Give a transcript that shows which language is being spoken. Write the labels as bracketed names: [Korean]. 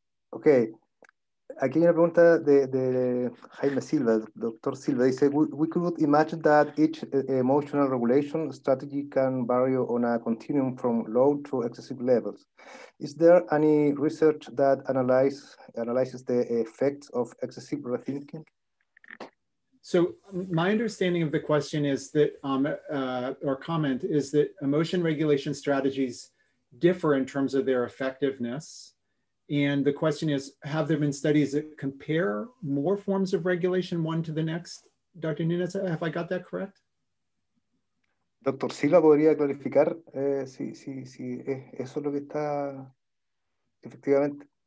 [Spanish] Okay. Aquí hay una pregunta de Jaime Silva, Dr. Silva. [English] Dice, we could imagine that each emotional regulation strategy can vary on a continuum from low to excessive levels. Is there any research that analyzes the effects of excessive rethinking? So my understanding of the question is that, or comment, is that emotion regulation strategies differ in terms of their effectiveness. And the question is, have there been studies that compare more forms of regulation one to the next? Dr. Nunes, have I got that correct? Dr. [Spanish] Silva, ¿podría clarificar si eso es lo que está efectivamente?